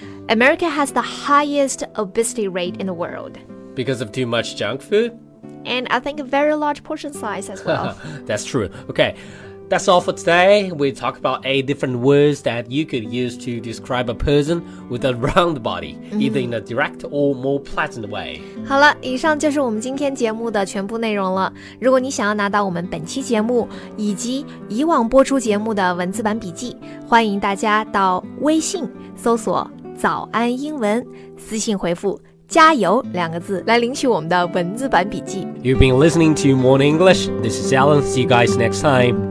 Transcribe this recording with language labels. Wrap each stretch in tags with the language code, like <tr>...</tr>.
<en>America has the highest obesity rate in the world. Because of too much junk food? And I think a very large portion size as well. That's true. Okay, that's all for today. We talked about 8 different words that you could use to describe a person with a round body,、mm-hmm. either in a direct or more pleasant way.</en> <zh>好了，以上就是我们今天节目的全部内容了。如果你想要拿到我们本期节目以及以往播出节目的文字版笔记，欢迎大家到微信搜索早安英文，私信回复加油两个字来领取我们的文字版笔记。</zh> <en>You've been listening to Morning English. This is Alan. See you guys next time.</en>